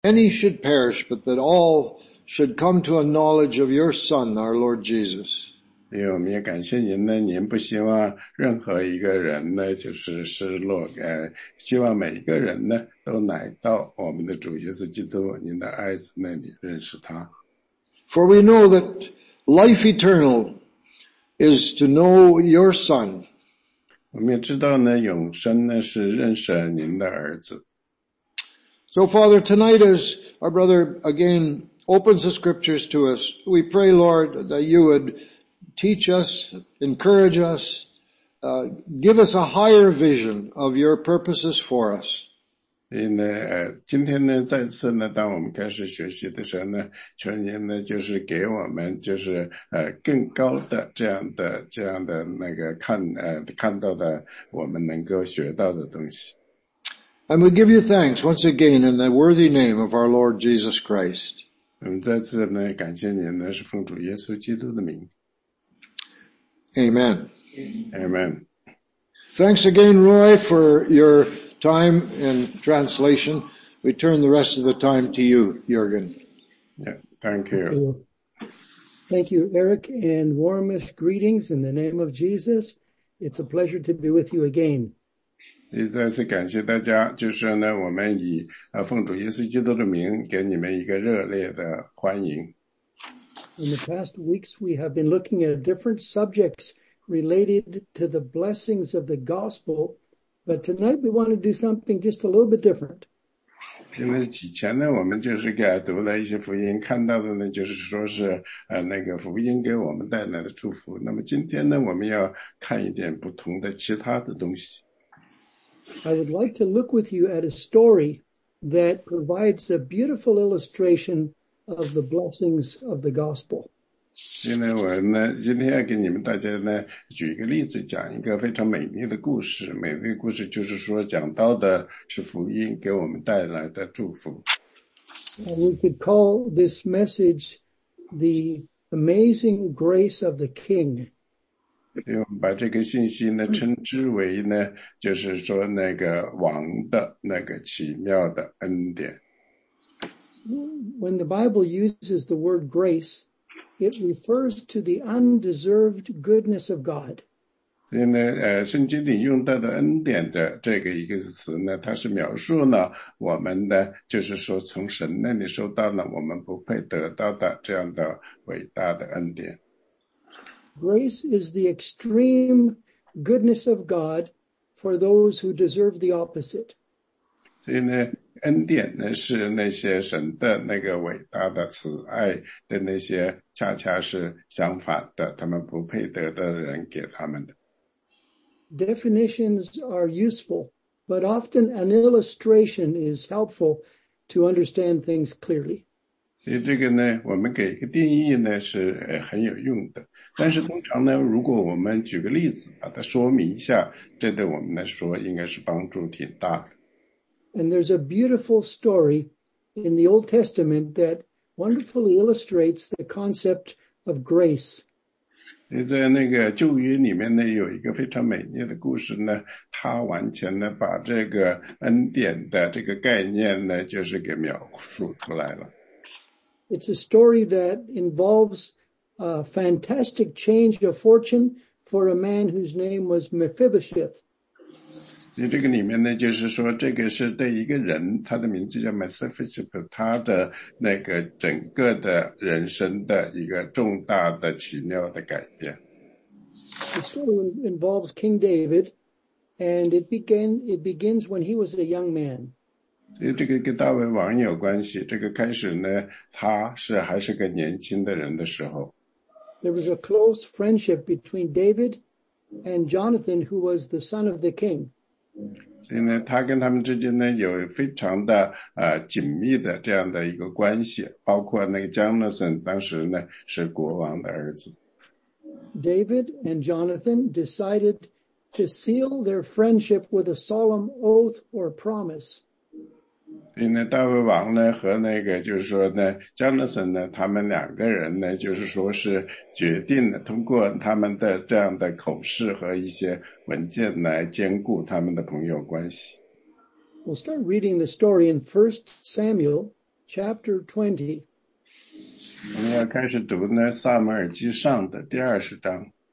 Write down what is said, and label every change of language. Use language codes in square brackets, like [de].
[en] Any should perish, but that all should come to a knowledge of your Son, our Lord Jesus. [zh] 因为我们也感谢您呢，您不希望任何一个人呢就是失落，希望每一个人呢都来到我们的主耶稣基督，您的爱子那里认识他。 [en] For we know that life eternal is to know your Son. [zh] 我们也知道呢，永生呢是认识您的儿子。 [en] So Father, tonight as our brother again opens the scriptures to us, we pray, Lord, that you would teach us, encourage us, give us a higher vision of your purposes for us. [zh] 今天呢再次呢当我们开始学习的时候呢求您呢就是给我们就是更高的这样的那个看到的我们能够学到的东西。 [en] And we give you thanks once again in the worthy name of our Lord Jesus Christ. [zh] 再次呢感谢您呢是奉主耶稣基督的名。 [en] Amen. Amen. Thanks again, Roy, for your time in translation. We turn the rest of the time to you, Jürgen. Yeah, thank you. Thank you, Eric, and warmest greetings in the name of Jesus. It's a pleasure to be with you again. [zh] 再次感谢大家，就是呢，我们以奉主耶稣基督的名给你们一个热烈的欢迎。 [en] In the past weeks, we have been looking at different subjects related to the blessings of the gospel, but tonight we want to do something just a little bit different. [zh] 因为以前呢，我们就是给读了一些福音，看到的呢，就是说是那个福音给我们带来的祝福。那么今天呢，我们要看一点不同的其他的东西。 [en] I would like to look with you at a story that provides a beautiful illustration of the blessings of the gospel. [zh] 因为我呢，今天要给你们大家呢，举一个例子，讲一个非常美丽的故事。美丽的故事就是说，讲到的是福音给我们带来的祝福。 [en] We could call this message the amazing grace of the King. [zh] 所以我们把这个信息呢称之为呢就是说那个王的那个奇妙的恩典。 [en] When the Bible uses the word grace, it refers to the undeserved goodness of God. [zh] 所以呢圣经里用到的恩典的这个一个词呢它是描述呢我们的就是说从神那里收到了我们不配得到的这样的伟大的恩典。 [en] Grace is the extreme goodness of God for those who deserve the opposite. [zh] 所以呢，恩典呢是那些神的那个伟大的慈爱的那些恰恰是相反的，他们不配得的人给他们的。 [en] Definitions are useful, but often an illustration is helpful to understand things clearly. [zh] 所以这个呢我们给一个定义呢是很有用的。但是通常呢如果我们举个例子把它说明一下这对我们来说应该是帮助挺大的。 [en] And there's a beautiful story in the Old Testament that wonderfully illustrates the concept of grace. [zh] 在那个旧约里面呢有一个非常美丽的故事呢它完全呢把这个恩典的这个概念呢就是给描述出来了。 [en] It's a story that involves a fantastic change of fortune for a man whose name was Mephibosheth. [zh] 这个里面呢就是说这个是对一个人他的名字叫 Mephibosheth, 他的那个整个的人生的一个重大的奇妙的改变。 [en] The story involves King David, and it begins when he was a young man. [zh] 所以这个跟大卫王有关系这个开始呢他是还是个年轻的人的时候。 [en] There was a close friendship between David and Jonathan, who was the son of the king. [zh] 所以呢他跟他们之间呢有非常的紧密的这样的一个关系包括那个 Jonathan 当时呢是国王的儿子。 [en] David and Jonathan decided to seal their friendship with a solemn oath or promise. [zh] 所以呢大卫王呢和那个就是说呢 Jonathan 呢他们两个人呢就是说是决定了通过他们的这样的口试和一些文件来兼顾他们的朋友关系。 [en] We'll start reading the story in 1 Samuel chapter 20. [zh] 我们要开始读呢撒母耳记上的第二十章。